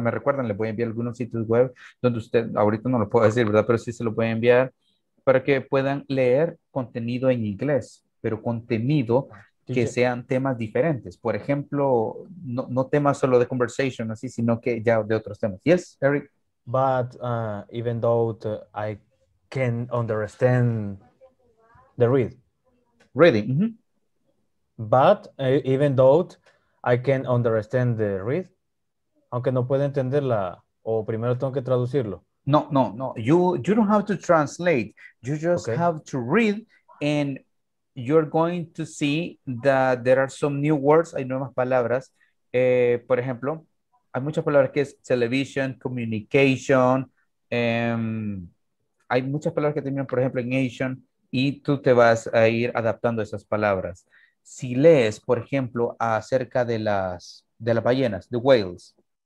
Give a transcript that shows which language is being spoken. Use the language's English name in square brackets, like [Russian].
[Spanish] Me recuerdan, le voy a enviar algunos sitios web donde usted, ahorita no lo puedo decir, ¿verdad? Pero sí se lo voy a enviar. Para que puedan leer contenido en inglés, pero contenido que sean temas diferentes. Por ejemplo, no temas solo de conversation, así, sino que ya de otros temas. [English] Yes, Eric? But even though I can understand the read. Reading. Mm-hmm. But even though I can understand the read, [Spanish] aunque no pueda entenderla, o primero tengo que traducirlo. [English] No. You don't have to translate. You just have to read, and you're going to see that there are some new words. [Spanish] Hay nuevas palabras. Por ejemplo, hay muchas palabras que es television, communication. Hay muchas palabras que terminan, por ejemplo, en Asian, y tú te vas a ir adaptando a esas palabras. Si lees, por ejemplo, acerca de las ballenas, [English] the whales.